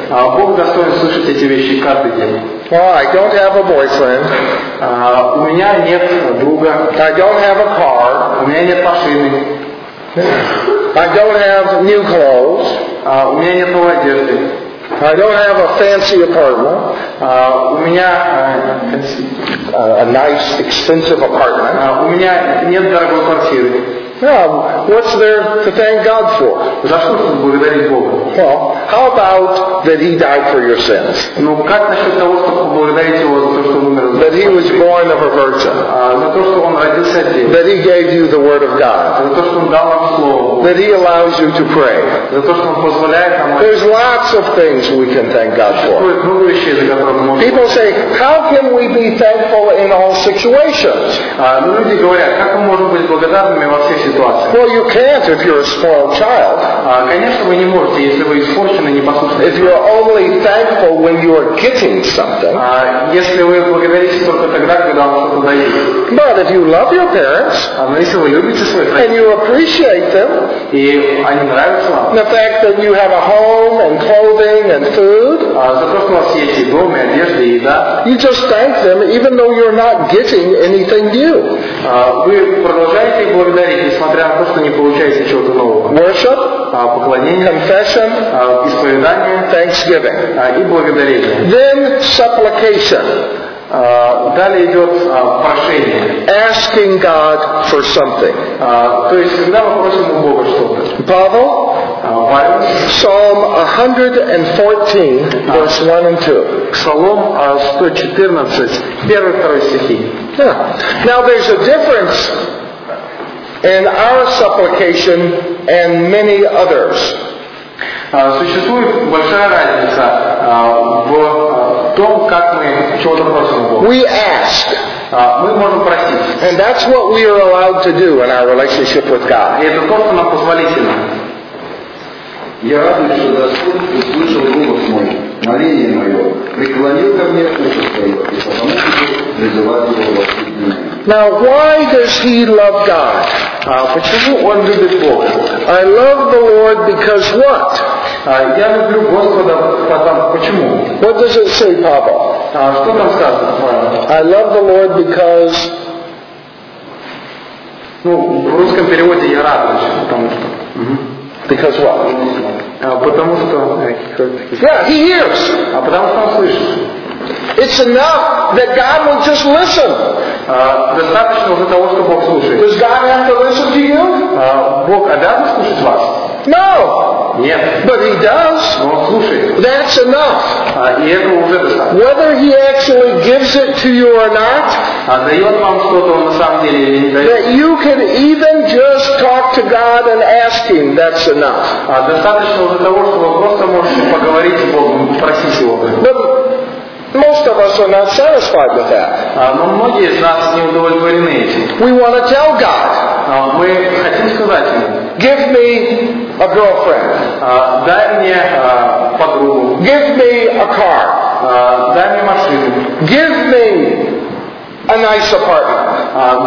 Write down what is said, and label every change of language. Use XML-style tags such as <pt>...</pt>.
<ru>Бог достоин слышать эти вещи каждый день.</ru> <en>Well, I don't have a boyfriend.</en> <ru>У меня нет друга.</ru> <en>I don't have a car.</en> <ru>У меня нет машины.</ru> <en>I don't have new clothes.</en> <ru>У меня нет новой одежды.</ru> <en>I don't have a fancy apartment.</en> <ru>У меня</ru> <en>a nice, expensive apartment.</en> <ru>У меня нет дорогой квартиры.</ru> <en>What's there to thank God for?</en> <ru>За что тут благодарить Бога?</ru> <en>Well, how about that He died for your sins?</en> <ru>Ну как насчет того, чтобы благодарить Его за то, что Он умер?</ru> <en>That He was born of a virgin.</en> <ru>За то, что Он родился от девы.</ru> <en>That He gave you the Word of God.</en> <ru>За то, что Он дал вам слово.</ru> <en>That He allows you to pray.</en> <ru>За то, что Он позволяет нам.</ru> <en>There's lots of things we can thank God for.</en> <ru>Много вещей, за которые мы можем.</ru> <en>People say, how can we be thankful in all situations?</en> <ru>Люди говорят, как мы можем быть благодарными во всех ситуациях?</ru> <en>Well, you can't if you're a spoiled child.</en> <ru>Конечно, вы не можете, если вы испорченный, непослушный.</ru> <en>If you're only thankful when you are getting something.</en> <ru>Если вы благодарите только тогда. тогда, когда вам что-то дают.</ru> <en>But if you love your parents,</en> <ru>но если вы любите своих родителей,</ru> <en>and you appreciate them,</en> <ru>и они нравятся вам,</ru> <en>the fact that you have a home and clothing and food,</en> <ru>за то, что у вас есть и дом, и одежда, и еда,</ru> <en>you just thank them, even though you're not getting anything new.</en> <ru>Вы продолжаете благодарить, несмотря на то, что не получаете чего-то нового.</ru> <en>Worship,</en> <ru>поклонение,</ru> <en>confession,</en> <ru>исповедание,</ru> <en>thanksgiving,</en> <ru>и благодарение.</ru> <en>Then supplication.</en> <ru>Далее идет прошение.</ru> <en>Asking God for something.</en> <ru>То есть когда мы просим у Бога что-то. Павел. Павел.</ru> <en>Psalm 114, verse 1 and 2.</en> <ru>Псалом 114, 1-2 стихи.</ru> <en>Now there's a difference in our supplication and many others.</en> <ru>Существует большая разница в том, как мы чего-то просим Бога.</ru> <en>We ask.</en> <ru>Мы можем просить.</ru> <en>And that's what we are allowed to do in our relationship with God.</en> <ru>И это то, что нам позволительно. Я радуюсь, что Господь услышал голос мой, моление мое, преклонил ко мне ухо свое, и потому что призывает его во все дни.</ru> <en>Now, why does he love God?</en> <ru>Почему он любит Бога?</ru> <en>I love the Lord because what?</en> <ru>Я люблю Господа потому. Почему?</ru> <en>What does it say, Pavel?</en> <ru>Что там сказано, Павел?</ru> <en>I love the Lord because.</en> <ru>Ну, в русском переводе я радуюсь, потому что.</ru> <en>Because what?</en> <ru>Потому что.</ru> <en>Yeah, he hears.</en> <ru>А потому что он слышит.</ru> <en>It's enough that God will just listen.</en> <ru>Достаточно уже того, что Бог слушает.</ru> <en>Does God have to listen to you?</en> <ru>Бог обязан слушать вас?</ru> <en>No.</en> <ru>Нет.</ru> <en>But he does.</en> <ru>Но он слушает.</ru> <en>That's enough.</en> <ru>И этого уже достаточно.</ru> <en>Whether he actually gives it to you or not,</en> <ru>дает вам что-то на самом деле или не дает,</ru> <en>that you can even just talk to God and ask him, that's enough.</en> <ru>Достаточно уже того, что вы просто можете поговорить с Богом, спросить его.</ru> <en>Most of us are not satisfied with that.</en> <ru>Но многие из нас не удовлетворены этим.</ru> <en>We want to tell God.</en> <ru>Мы хотим сказать ему.</ru> <en>Give me a girlfriend.</en> <ru>Дай мне подругу.</ru> <en>Give me a car.</en> <ru>Дай мне машину.</ru> <en>Give me a nice apartment.</en>